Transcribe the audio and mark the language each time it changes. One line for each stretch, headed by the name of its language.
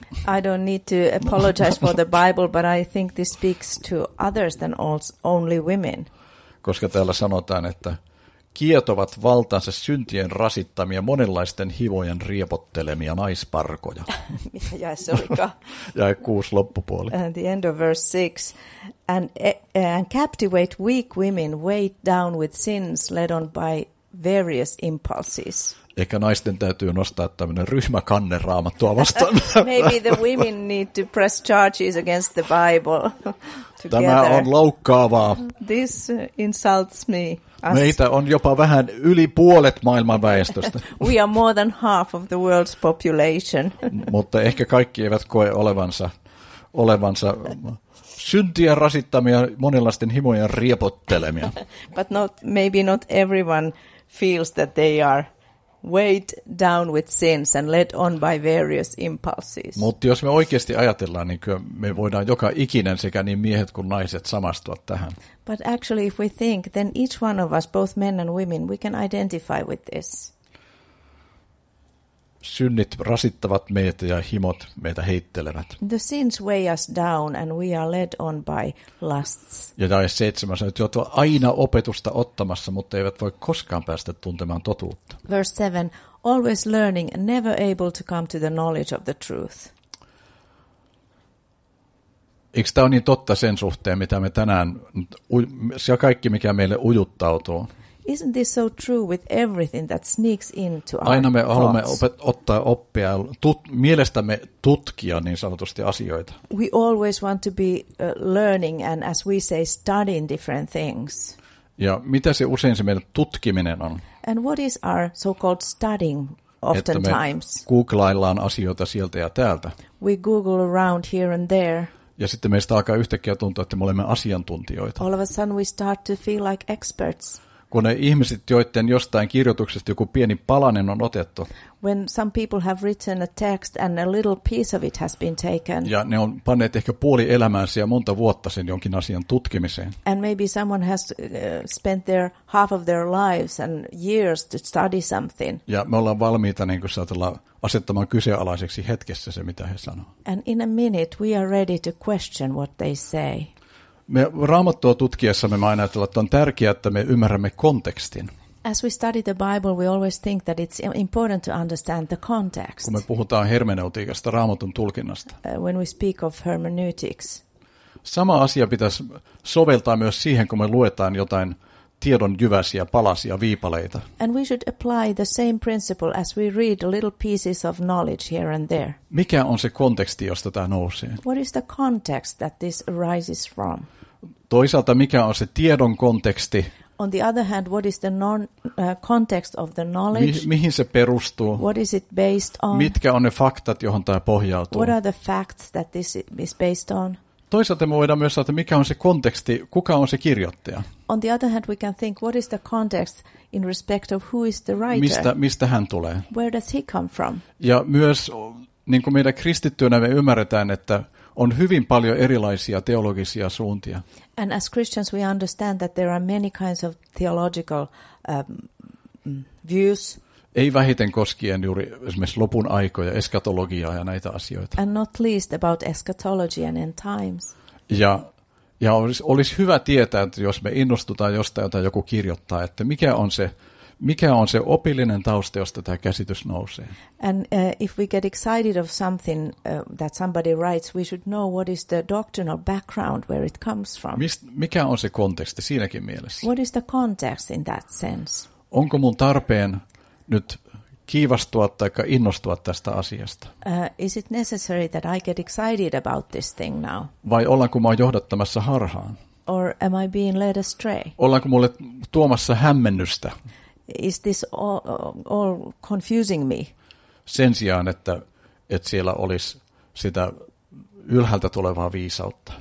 English: I don't need to apologize for the Bible, but I think this speaks to others than only women.
Finnish: Koska täällä sanotaan, että kietovat valtansa syntien rasittamia monenlaisten hivojen riepottelemia naisparkoja. Mitä jäi se olikaan? Jäi 6 loppupuoli.
English: And the end of verse 6. and captivate weak women weighed down with sins led on by various impulses.
Finnish: Ehkä naisten täytyy nostaa tämmöinen ryhmäkanne Raamattua vastaan.
English: Maybe the women need to press charges against the Bible together.
Finnish: Tämä on loukkaavaa.
English: This insults me.
Finnish: Meitä on jopa vähän yli puolet maailman väestöstä.
English: We are more than half of the world's population.
Finnish: Mutta ehkä kaikki eivät koe olevansa syntiä rasittamia, monenlaisten himojen riepottelemia.
English: But maybe not everyone feels that they are weighed down with sins and led on by various impulses.
Finnish: Mutta jos me oikeasti ajatellaan, niin kyllä me voidaan joka ikinen sekä niin miehet kuin naiset samastua tähän.
English: But actually if we think, then each one of us, both men and women, we can identify with this.
Finnish: Synnit rasittavat meitä ja himot meitä heittelevät.
English: The sins weigh us down and we are led on by lusts.
Finnish: Ja tämä on 7, että joutuu aina opetusta ottamassa, mutta eivät voi koskaan päästä tuntemaan totuutta.
English: Verse 7, always learning, never able to come to the knowledge of the truth.
Finnish: Eikö tämä ole niin totta sen suhteen, mitä me tänään, se kaikki mikä meille ujuttautuu?
English: Isn't this so true with everything that sneaks into our
Finnish: aina me haluamme ottaa oppia, mielestämme tutkia niin sanotusti asioita.
English: We always want to be learning and as we say studying different things.
Finnish: Ja mitä se usein se meidän tutkiminen on?
English: And what is our so-called studying oftentimes?
Finnish: Että me googlaillaan asioita sieltä ja täältä.
English: We google around here and there.
Finnish: Ja sitten meistä alkaa yhtäkkiä tuntua, että me olemme asiantuntijoita.
English: All of a sudden we start to feel like experts.
Finnish: Kun ne ihmiset, joiden jostain kirjoituksesta joku pieni palanen on otettu.
English: When some people have written a text and a little piece of it has been taken.
Finnish: Ja ne on panneet ehkä puoli elämäänsä ja monta vuotta sen jonkin asian tutkimiseen.
English: And maybe someone has spent their half of their lives and years to study something.
Finnish: Ja me ollaan valmiita niin kuin saatellaan asettamaan kyseenalaiseksi hetkessä se, mitä he sanoo.
English: And in a minute we are ready to question what they say.
Finnish: Me Raamattua tutkiessamme me ajatellaan, että on tärkeää, että me ymmärrämme kontekstin.
English: As we study the Bible, we always think that it's important to understand the context.
Finnish: Kun me puhutaan hermeneutiikasta, Raamatun tulkinnasta.
English: When we speak of hermeneutics.
Finnish: Sama asia pitäisi soveltaa myös siihen, kun me luetaan jotain tiedon jyväsiä, palasia, viipaleita.
English: And we should apply the same principle as we read little pieces of knowledge here and there.
Finnish: Mikä on se konteksti, josta tämä nousee?
English: What is the context that this arises from?
Finnish: Toisaalta mikä on se tiedon konteksti?
English: On the other hand, what is the context of the knowledge?
Finnish: Mihin se perustuu?
English: What is it based on?
Finnish: Mitkä on ne faktat, johon tämä pohjautuu?
English: What are the facts that this is based on?
Finnish: Toisaalta me voidaan myös sanoa, mikä on se konteksti, kuka on se kirjoittaja?
English: On the other hand, we can think, what is the context in respect of who is the writer?
Finnish: Mistä hän tulee?
English: Where does he come from?
Finnish: Ja myös, niin kuin meidän kristittyönä me ymmärretään, että on hyvin paljon erilaisia teologisia suuntia.
English: And as Christians we understand that there are many kinds of theological views.
Finnish: Ei vähiten koskien juuri esimerkiksi lopun aikoja, eskatologiaa ja näitä asioita.
English: And not least about eschatology and end times.
Finnish: Ja olisi hyvä tietää, että jos me innostutaan jostain, jota joku kirjoittaa, että mikä on se opillinen tausta, josta tämä käsitys nousee.
English: And if we get excited of something that somebody writes, we should know what is the doctrinal background where it comes from.
Finnish: Mikä on se konteksti siinäkin mielessä?
English: What is the context in that sense?
Finnish: Onko mun tarpeen nyt kiivastua tai innostua tästä asiasta?
English: Is it necessary that I get excited about this thing now?
Finnish: Vai ollaanko mä johdattamassa harhaan?
English: Or am I being led astray?
Finnish: Ollaanko mulle tuomassa hämmennystä?
English: Is this all confusing me?
Finnish: Sen sijaan, että siellä olisi sitä ylhäältä tulevaa viisautta.